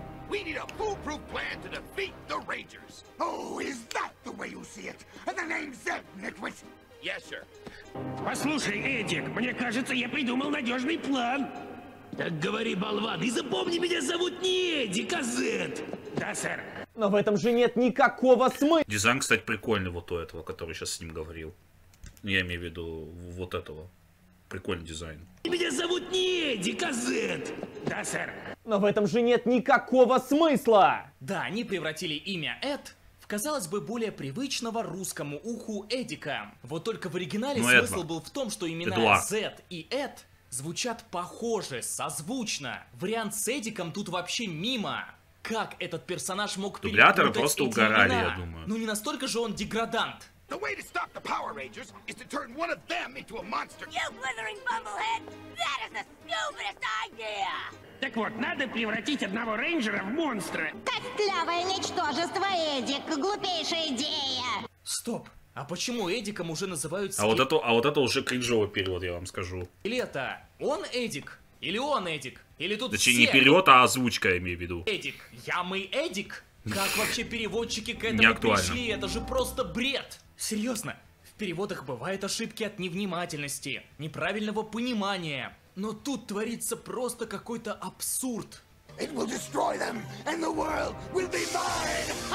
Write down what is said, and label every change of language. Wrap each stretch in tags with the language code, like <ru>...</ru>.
<en>We need a foolproof plan to defeat the Rangers. Oh, is that the way you see it? And the name's Zeb, Nitwit? Yes, sir.</en> <ru>Послушай, Эдик, мне кажется, я придумал надежный план. Так говори, болван, и запомни, меня зовут не Эдик, а Зед. Да, сэр. Но в этом же нет никакого смысла. Дизайн, кстати, прикольный вот у этого, который сейчас с ним говорил. Я имею в виду вот этого. Прикольный дизайн. Меня зовут не Эдик, а Зед. Да, сэр. Но в этом же нет никакого смысла! Да, они превратили имя Эд в, казалось бы, более привычного русскому уху Эдика. Вот только в оригинале Но смысл Эдна. Был в том, что имена Зед и Эд звучат похоже, созвучно. Вариант с Эдиком тут вообще мимо. Как этот персонаж мог перепутать эти имена? Дубляторы просто угорали, я думаю. Ну не настолько же он деградант.</ru> <en>The way to stop the Power Rangers is to turn one of them into a monster. You blithering bumblehead! That is the stupidest idea!</en> <ru>Так вот, надо превратить одного рейнджера в монстра. Костлявое ничтожество, Эдик. Глупейшая идея. Стоп. А почему Эдиком уже называют скелет? А вот это уже кринжовый перевод, я вам скажу. Или это он Эдик? Или он Эдик? Или тут Точнее, все... Точнее, не перевод, а озвучка, я имею в виду. Эдик. Я мой Эдик? Как вообще переводчики к этому пришли? Это же просто бред. Серьезно, в переводах бывают ошибки от невнимательности, неправильного понимания. Но тут творится просто какой-то абсурд.</ru> <en>It will destroy them, and the world will be mine!</en>